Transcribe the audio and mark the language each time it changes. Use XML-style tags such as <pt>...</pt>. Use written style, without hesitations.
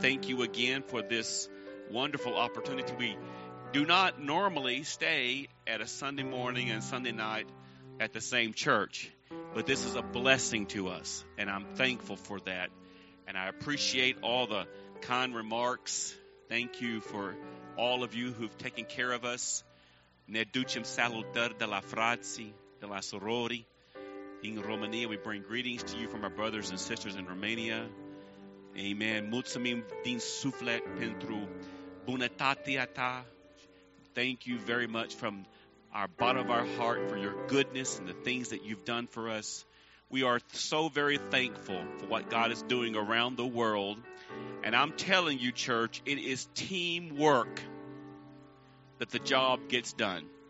<en>Thank you again for this wonderful opportunity. We do not normally stay at a Sunday morning and Sunday night at the same church, but this is a blessing to us, and I'm thankful for that, and I appreciate all the kind remarks. Thank you for all of you who've taken care of us.</en> <ro>Ne ducem salutări de la frații, de la sorori.</ro> <en>In Romania, we bring greetings to you from our brothers and sisters in Romania. Amen.</en> <ro>Mulțumim din suflet pentru bunătatea ta.</ro> <en>Thank you very much from our bottom of our heart for your goodness and the things that you've done for us. We are so very thankful for what God is doing around the world. And I'm telling you, church, it is teamwork that the job gets done.</en>